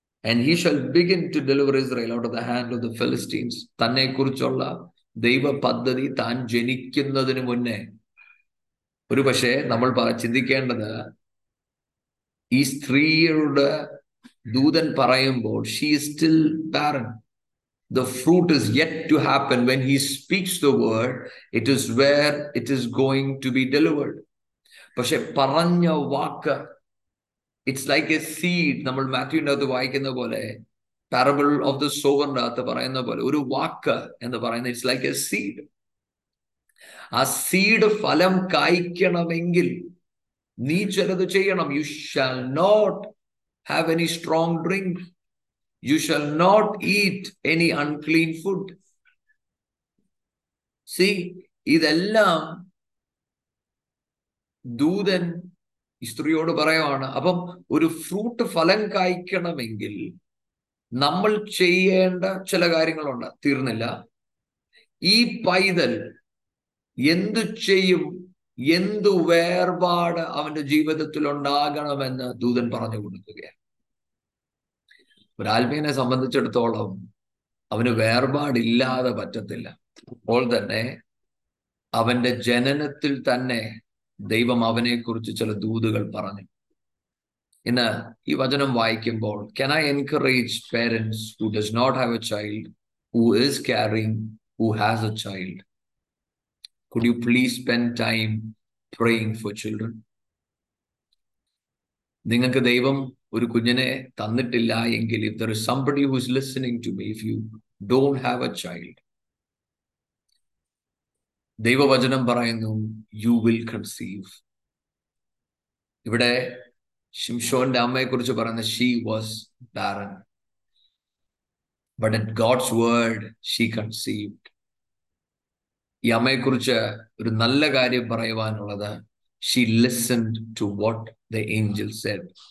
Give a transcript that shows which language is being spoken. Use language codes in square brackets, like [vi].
[en] And he shall begin to deliver Israel out of the hand of the Philistines. [ml] തന്നെ കുറിച്ചുള്ള ദൈവ പദ്ധതി താൻ ജനിക്കുന്നതിന് മുന്നേ. ഒരു പക്ഷേ നമ്മൾ ചിന്തിക്കേണ്ടത് ഈ സ്ത്രീയുടെ ദൂതൻ പറയുമ്പോൾ [en] She is still barren. The fruit is yet to happen. When he speaks the word, it is where it is going to be delivered. [ml] പക്ഷേ പറഞ്ഞ വാക്ക്, [en] it's like a seed. [ml] നമ്മൾ മാത്യുവിനകത്ത് വായിക്കുന്ന പോലെ, [en] parable of the sower [ml] അകത്ത് പറയുന്ന പോലെ, ഒരു വാക്ക് എന്ന് പറയുന്നത് [en] it's like a seed. [ml] ആ സീഡ് ഫലം കായ്ക്കണമെങ്കിൽ നീ ചിലത് ചെയ്യണം. [en] You shall not have any strong drink. You shall not eat any unclean food. [ml] See, ഇതെല്ലാം ദൂതൻ സ്ത്രീയോട് പറയുവാണ്. അപ്പം ഒരു ഫ്രൂട്ട് ഫലം കായ്ക്കണമെങ്കിൽ നമ്മൾ ചെയ്യേണ്ട ചില കാര്യങ്ങളുണ്ട്. തീർന്നില്ല. ഈ പൈതൽ എന്തു ചെയ്യും, എന്തു വേർപാട് അവന്റെ ജീവിതത്തിൽ ഉണ്ടാകണമെന്ന് ദൂതൻ പറഞ്ഞു കൊടുക്കുകയാണ്. ഒരു ആത്മീയനെ സംബന്ധിച്ചിടത്തോളം അവന് വേർപാടില്ലാതെ പറ്റത്തില്ല. അപ്പോൾ തന്നെ അവന്റെ ജനനത്തിൽ തന്നെ ദൈവം അവനെ കുറിച്ച് ചില ദൂതുകൾ പറഞ്ഞു. ഇന്ന് ഈ വചനം വായിക്കുമ്പോൾ, [en] can I encourage parents who does not have a child, who is carrying, who has a child, could you please spend time praying for children? [ml] നിങ്ങൾക്ക് ദൈവം ഒരു കുഞ്ഞിനെ തന്നിട്ടില്ല എങ്കിൽ, [en] if there is somebody who is listening to me, if you don't have a child, [ml] ദൈവവചനം പറയുന്നു [en] You will conceive. [ml] ഇവിടെ ശിംശോന്റെ അമ്മയെ കുറിച്ച് പറയുന്ന [en] She was barren, but at God's word she conceived. [ml] ഈ അമ്മയെ കുറിച്ച് ഒരു നല്ല കാര്യം പറയുവാനുള്ളത്, [en] She listened to what the angel said.